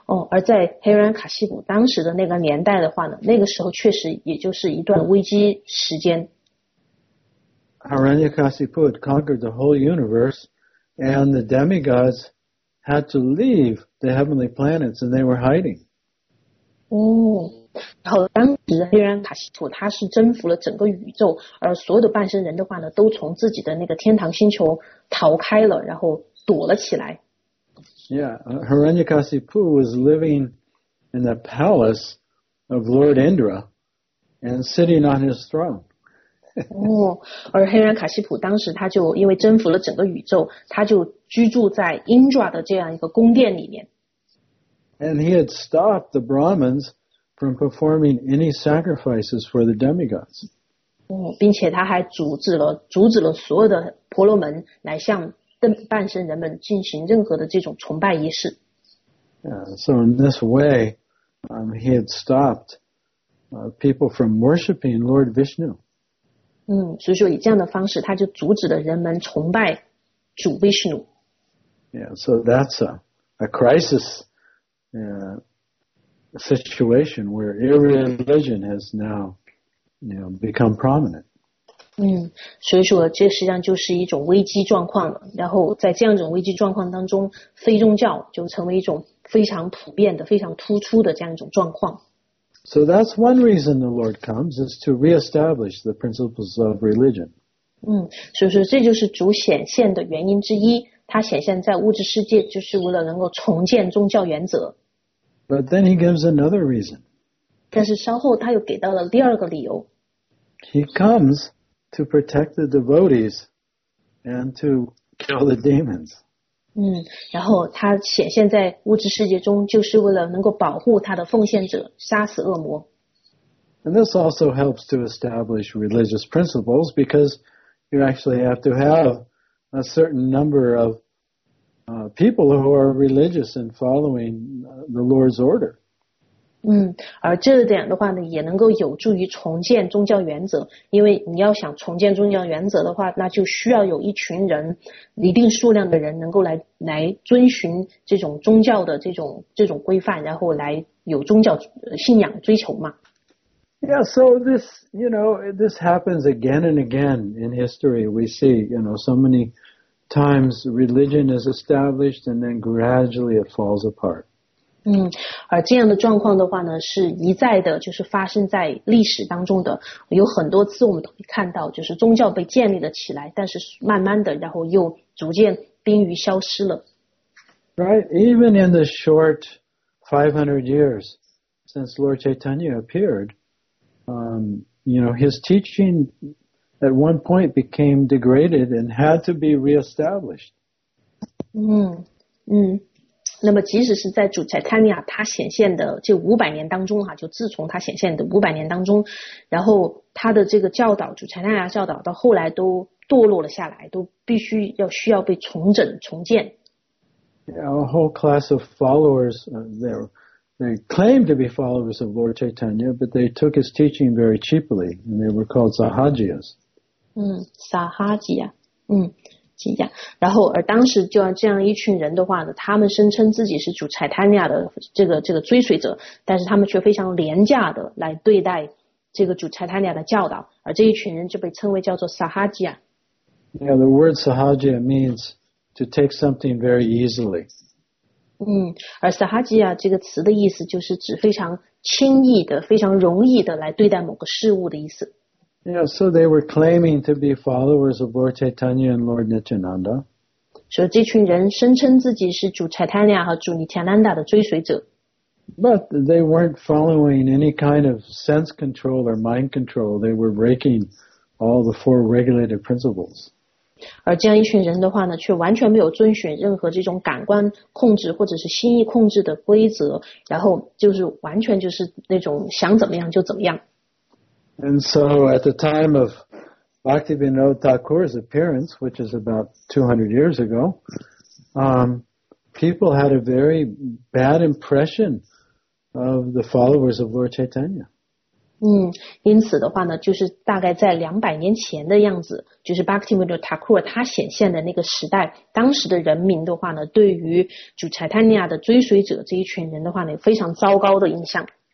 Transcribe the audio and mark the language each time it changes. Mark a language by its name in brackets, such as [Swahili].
[Chinese] 而在黑人卡西普当时的那个年代的话呢，那个时候确实也就是一段危机时间。 [English] Hiranyakasipu had conquered the whole universe, and the demigods had to leave the heavenly planets, and they were hiding. [Chinese] 然后当时黑人卡西普他是征服了整个宇宙，而所有的半身人的话呢，都从自己的那个天堂星球逃开了，然后躲了起来。 [English] Yeah, Hiranyakasipu was living in the palace of Lord Indra and sitting on his throne. [Chinese] 而黑人卡西普当时他就因为征服了整个宇宙，他就居住在 Indra 的这样一个宫殿里面。 [English] And he had stopped the Brahmins from performing any sacrifices for the demigods. [Chinese] 并且他还阻止了所有的婆罗门来向半神人们进行任何的这种崇拜仪式。 [English] So in this way, he had stopped people from worshiping Lord Vishnu. [Chinese] 所以说以这样的方式，他就阻止了人们崇拜主 Vishnu。 [English] So that's a crisis situation where irreligion has now, become prominent. [Chinese] 所以说这实际上就是一种危机状况了。然后在这样一种危机状况当中，非宗教就成为一种非常普遍的、非常突出的这样一种状况。 [English] So that's one reason the Lord comes, is to reestablish the principles of religion. [Chinese] 所以说这就是主显现的原因之一，他显现在物质世界就是为了能够重建宗教原则。 [English] But then he gives another reason. [Chinese] 但是稍后他又给到了第二个理由。 [English] He comes to protect the devotees and to kill the demons. [Chinese] 然后他显现在物质世界中就是为了能够保护他的奉献者，杀死恶魔。 [English] And this also helps to establish religious principles because you actually have to have a certain number of people who are religious and following the Lord's order. [Chinese] 而这点的话呢，也能够有助于重建宗教原则，因为你要想重建宗教原则的话，那就需要有一群人，一定数量的人能够来遵循这种宗教的这种规范，然后来有宗教信仰追求嘛。 [English] Yeah, so this, this happens again and again in history. We see, so many times religion is established and then gradually it falls apart. [Chinese] 而这样的状况的话呢，是一再的，就是发生在历史当中的。有很多次我们都看到，就是宗教被建立了起来，但是慢慢的，然后又逐渐濒于消失了。 [English] Right, even in the short 500 years since Lord Chaitanya appeared, his teaching at one point became degraded and had to be reestablished. [Chinese] 那么即使是在主宰坦尼亚他显现的这500年当中，就自从他显现的500年当中，然后他的这个教导，主宰坦尼亚教导到后来都堕落了下来，都必须要需要被重整重建。 [English] A whole class of followers, they claimed to be followers of Lord Chaitanya, but they took his teaching very cheaply, and they were called Sahajiyas. Sahajiya. [Chinese] 这样，然后而当时就这样一群人的话呢，他们声称自己是主柴坦尼亚的这个追随者，但是他们却非常廉价的来对待这个主柴坦尼亚的教导，而这一群人就被称为叫做 Sahajiya。 [English] The word Sahajiya means to take something very easily. [Chinese] 而 Sahajiya 这个词的意思就是指非常轻易的、非常容易的来对待某个事物的意思。 [English] So they were claiming to be followers of Lord Chaitanya and Lord Nityananda. [Chinese] So 这群人声称自己是主 Chaitanya 和主 Nityananda 的追随者。 [English] But they weren't following any kind of sense control or mind control. They were breaking all the four regulative principles. [Chinese] 而这样一群人的话呢，却完全没有遵循任何这种感官控制或者是心意控制的规则，然后就是完全就是那种想怎么样就怎么样。 [English] And so at the time of Bhaktivinoda Thakur's appearance, which is about 200 years ago, people had a very bad impression of the followers of Lord Chaitanya. [Chinese] 因此的话呢，就是大概在200年前的样子，就是 Bhaktivinoda Thakur 他显现的那个时代，当时的人民的话呢，对于主 Chaitanya 的追随者这一群人的话呢，非常糟糕的印象。